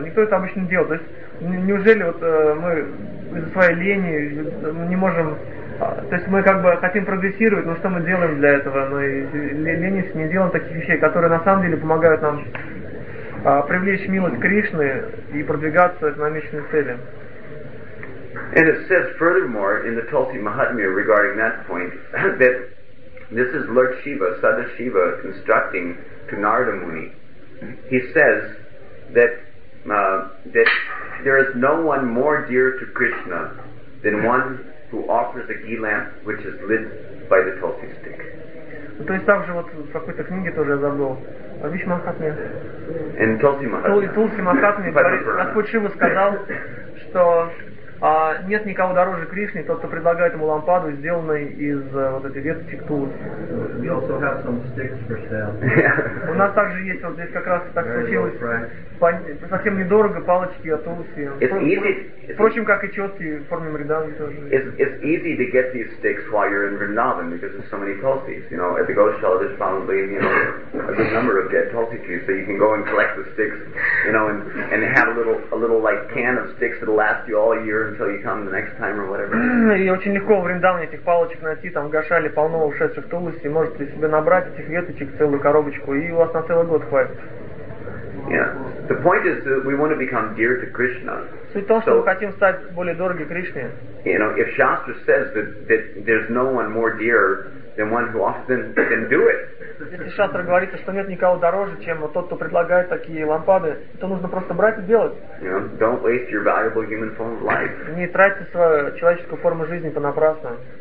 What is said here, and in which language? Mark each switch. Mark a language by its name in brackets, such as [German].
[Russian] Никто это обычно не делает. То есть, неужели вот мы из-за своей лени не можем... То есть мы как бы хотим прогрессировать, но что мы делаем для этого? Мы ленимся, не делаем таких вещей, которые на самом деле помогают нам... Привлечь милость Кришны и продвигаться к намеченной цели. [English] And it says furthermore in the Tulsi Mahatmya regarding that point that this is Lord Shiva, Sada Shiva, instructing to Narada Muni. He says that that there is no one more dear to Krishna than one who offers a ghee lamp which is lit by the tulsi stick. [Russian] То есть там же вот в какой-то книге тоже я забыл. [English] In Tulsi Mahatmya. [Russian] Tulsi Mahatmya, Господь Шива сказал, что нет никого дороже Кришны, тот, кто предлагает ему лампаду, сделанную из вот этой веточек тулуси. У нас также есть, вот здесь как раз так случилось, совсем недорого палочки от тулуси. Впрочем, как и четки в форме мриданги тоже. [English] It's easy to get these sticks while you're in Vrindavan because there's so many tulsis. You know, at the Goshala there's probably, you know, a good number of dead tulsi trees, so you can go and collect the sticks, you know, and have a little like can of sticks that'll last you all year until you come the next time or whatever. [Russian] И очень легко в Вриндаване этих палочек найти, там в Гошале полно ушедших тулуси, можете себе набрать этих веточек целую коробочку, и у вас на целый год хватит. [English] Yeah. The point is that we want to become dear to Krishna. [Russian] Суть в том, что мы хотим стать более дороги Кришне. [English] You know, if Shastra says that there's no one more dear than one who often can do it. [Russian] Если шастра говорит, что нет никого дороже, чем тот, кто предлагает такие лампады, то нужно просто брать и делать. [English] You know, don't waste your valuable human form of life. [Russian] Не тратьте свою человеческую форму жизни понапрасну.